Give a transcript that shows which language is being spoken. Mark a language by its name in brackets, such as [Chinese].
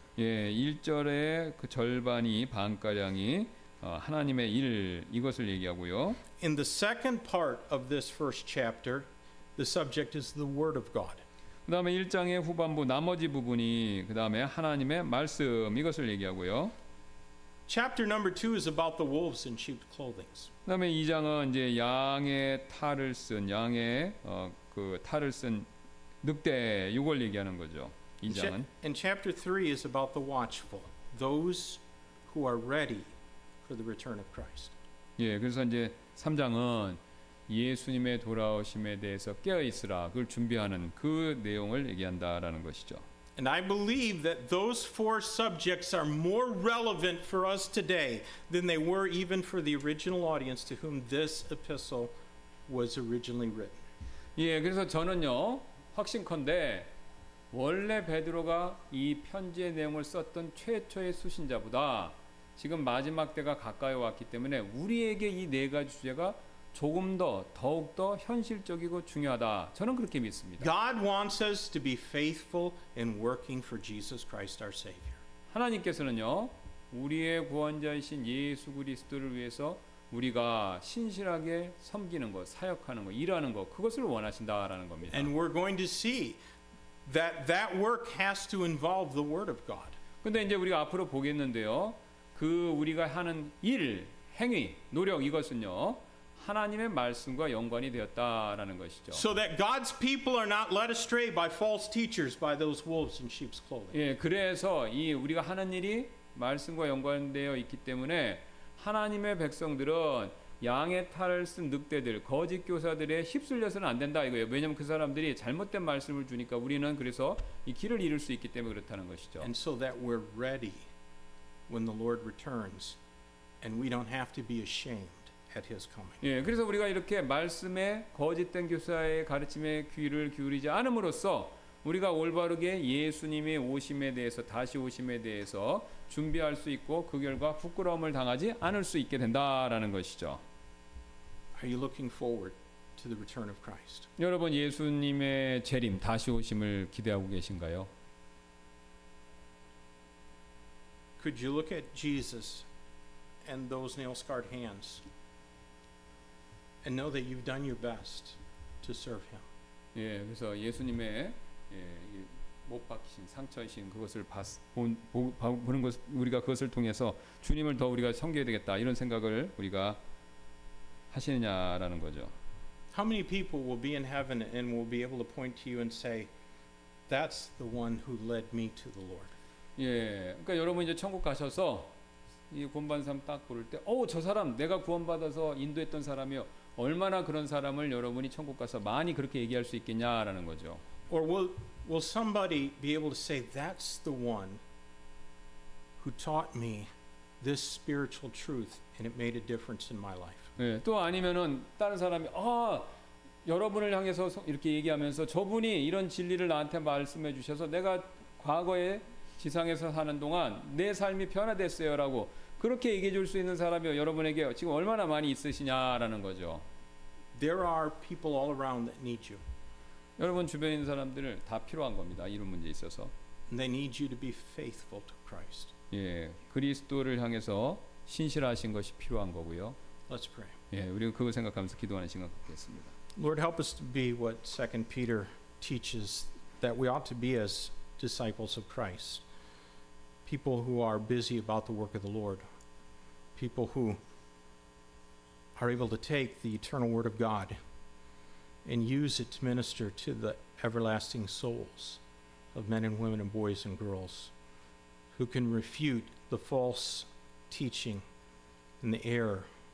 [Korean] 예, 1절의 그 절반이 반가량이 하나님의 일 이것을 얘기하고요. [English] In the second part of this first chapter the subject is the word of God. [Korean] 그 다음에 1장의 후반부 나머지 부분이 그 다음에 하나님의 말씀 이것을 얘기하고요. [English] Chapter number 2 is about the wolves in sheep's clothing. [Korean] 그 다음에 2장은 이제 양의 탈을 쓴 양의 그 탈을 쓴 늑대 이걸 얘기하는 거죠. 2장은. [English] And chapter 3 is about the watchful, those who are ready for the return of Christ. [Korean] 예, 그래서 이제 3장은 예수님의 돌아오심에 대해서 깨어 있으라 그걸 준비하는 그 내용을 얘기한다라는 것이죠. [English] And I believe that those four subjects are more relevant for us today than they were even for the original audience to whom this epistle was originally written. [Korean] 예, 그래서 저는요 확신컨대 원래 베드로가 이 편지의 내용을 썼던 최초의 수신자보다 지금 마지막 때가 가까이 왔기 때문에 우리에게 이 네 가지 주제가 조금 더 더욱 더 현실적이고 중요하다. 저는 그렇게 믿습니다. [English] God wants us to be faithful in working for Jesus Christ our Savior. [Korean] 하나님께서는요. 우리의 구원자이신 예수 그리스도를 위해서 우리가 신실하게 섬기는 것, 사역하는 것, 일하는 것 그것을 원하신다라는 겁니다. [English] And we're going to see that that work has to involve the word of God. [Korean] 근데 이제 우리가 앞으로 보겠는데요. 그 우리가 하는 일, 행위, 노력 이것은요. 하나님의 말씀과 연관이 되었다라는 것이죠. [English] So that God's people are not led astray by false teachers, by those wolves in sheep's clothing. [Korean] 예, 그래서 이 우리가 하는 일이 말씀과 연관되어 있기 때문에 하나님의 백성들은 양의 탈을 쓴 늑대들, 거짓 교사들의 휩쓸려서는 안 된다 이거예요. 왜냐면 그 사람들이 잘못된 말씀을 주니까 우리는 그래서 이 길을 잃을 수 있기 때문에 그렇다는 것이죠. [English] And so that we're ready when the Lord returns, and we don't have to be ashamed. At his coming. [Korean] 예, 그래서 우리가 이렇게 말씀에 거짓된 교사의 가르침에 귀를 기울이지 않음으로써 우리가 올바르게 예수님의 오심에 대해서 다시 오심에 대해서 준비할 수 있고 그 결과 부끄러움을 당하지 않을 수 있게 된다라는 것이죠. [English] Are you looking forward to the return of Christ? [Korean] 여러분 예수님의 재림 다시 오심을 기대하고 계신가요? [English] Could you look at Jesus and those nail-scarred hands? And know that you've done your best to serve Him. [Korean] 예, 그래서 예수님의 예, 못 박히신 상처이신 그것을 보는 것 우리가 그것을 통해서 주님을 더 우리가 섬겨야 되겠다 이런 생각을 우리가 하시느냐라는 거죠. [English] How many people will be in heaven and will be able to point to you and say, "That's the one who led me to the Lord." [Korean] 예, 그러니까 여러분 이제 천국 가셔서 이 구원받은 사람 딱 부를 때, 오, 저 사람 내가 구원받아서 인도했던 사람이요. 얼마나 그런 사람을 여러분이 천국 가서 많이 그렇게 얘기할 수 있겠냐라는 거죠. [English] Or will somebody be able to say that's the one who taught me this spiritual truth and it made a difference in my life? [Korean] 예, 또 아니면은 다른 사람이 아 여러분을 향해서 이렇게 얘기하면서 저분이 이런 진리를 나한테 말씀해 주셔서 내가 과거에 지상에서 사는 동안 내 삶이 변화됐어요라고. 그렇게 얘기해 줄 수 있는 사람이 여러분에게 지금 얼마나 많이 있으시냐라는 거죠. [English] There are people all around that need you. [Korean] 여러분 주변에 있는 사람들을 다 필요한 겁니다. 이런 문제에 있어서. [English] And they need you to be faithful to Christ. [Korean] 예, 그리스도를 향해서 신실하신 것이 필요한 거고요. [English] Let's pray. [Korean] 예, 우리가 그거 생각하면서 기도하는 시간 갖겠습니다. [English] Lord, help us to be what 2 Peter teaches that we ought to be as disciples of Christ. People who are busy about the work of the Lord. People who are able to take the eternal word of God and use it to minister to the everlasting souls of men and women and boys and girls who can refute the false teaching and the error